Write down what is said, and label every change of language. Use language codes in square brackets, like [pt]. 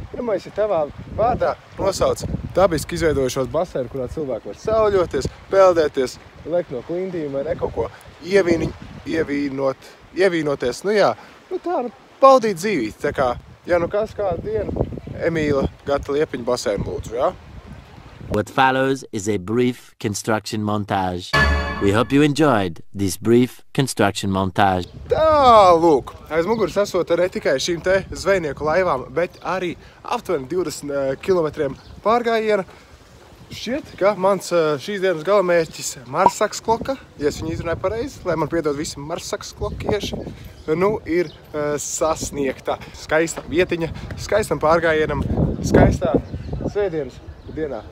[lv] Pirmais ir tavā vārdā nosauc dabiski izveidojušos baseinu, kurā cilvēki var sauļoties, peldēties, lekt no klindīm vai neko ko ievīnoties. Nu jā, nu tā, nu, baudīt dzīvīt. Tā kā, ja nu kas kādu dienu, Emīla Gata Liepiņa baseinu lūdzu, jā? [en] What follows is a brief construction montage. We hope you enjoyed this brief construction montage. [lv] Tā, lūk, aiz muguras esot ne tikai šīm te zvejnieku laivām, bet arī aptuveni 20 km pārgājiena. Šiet, ka mans šīs dienas galamērķis Marsaks kloka, ja es viņu izrunāju pareizi, lai man piedod visi Marsaks klokieši, nu ir sasniegta skaista vietiņa, skaistam pārgājienam, skaistā svētdienas. Dienā.